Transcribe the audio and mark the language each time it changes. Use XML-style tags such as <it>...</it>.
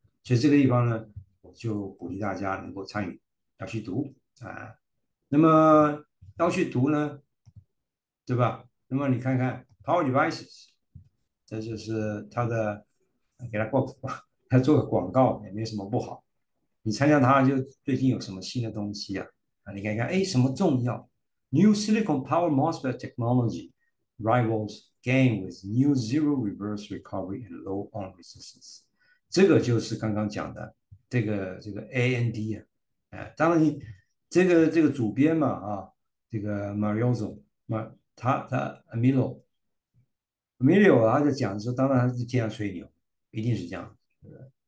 <zh>所以这个地方呢，我就鼓励大家能够参与，要去读啊。那么要去读呢？对吧？那么你看看 Power Devices，这就是它的，给它做个广告也没什么不好。你参加它就最近有什么新的东西啊？你看看，哎，什么重要？</zh> <en>New Silicon Power MOSFET Technology rivals gain with new zero reverse recovery and low on resistance。</en> <zh>这个就是刚刚讲的这个 AMD 啊，当然你这个主编嘛，这个 Mariozzo 嘛。他 Amelio 他就讲说，当然他是天上吹牛，一定是这样，对不对？</zh>